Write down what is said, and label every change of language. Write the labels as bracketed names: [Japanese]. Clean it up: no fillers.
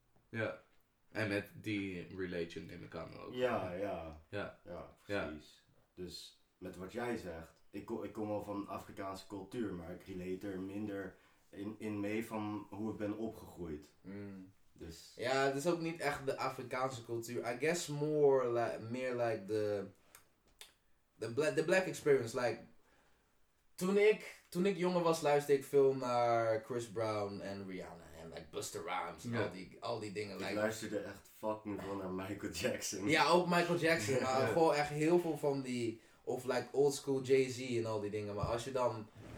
[Dutch] Ja, en met die relation neem ik aan ook. Ja, precies. Ja. Dus met wat jij zegt, ik kom wel van Afrikaanse cultuur, maar ik relate er minder in mee van hoe ik ben opgegroeid. Mm. Dus. Ja, het is ook niet echt de Afrikaanse cultuur. [English] I guess more like, meer like the black experience. [Dutch] Like, toen ik jonger was, luisterde ik veel naar Chris Brown en Rihanna. Like Busta Rhymes, al die dingen. Ik luisterde echt fucking veel naar Michael Jackson. Ja, ook Michael Jackson. Maar gewoon echt heel veel van die... Of like old school Jay-Z en al die dingen. Maar als je dan...